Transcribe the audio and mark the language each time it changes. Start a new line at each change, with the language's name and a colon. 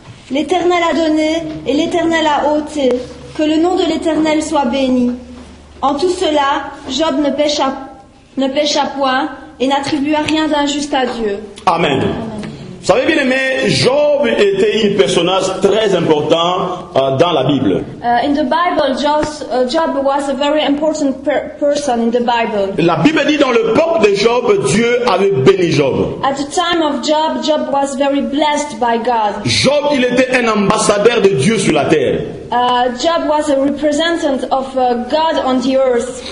French: L'Éternel a donné, et l'Éternel a ôté. Que le nom de l'Éternel soit béni. » En tout cela, Job ne pécha point, et n'attribua rien d'injuste à Dieu. Amen. Amen. Vous savez, bien aimé, Job était un personnage très important dans la Bible.
English: In the Bible, Job was a very important person in the Bible.
French: La Bible dit dans le peuple de Job, Dieu avait béni Job.
English: At the time of Job, Job was very blessed by God.
French: Job, il était un ambassadeur de Dieu sur la terre.
English: Job was a representative of God on the earth.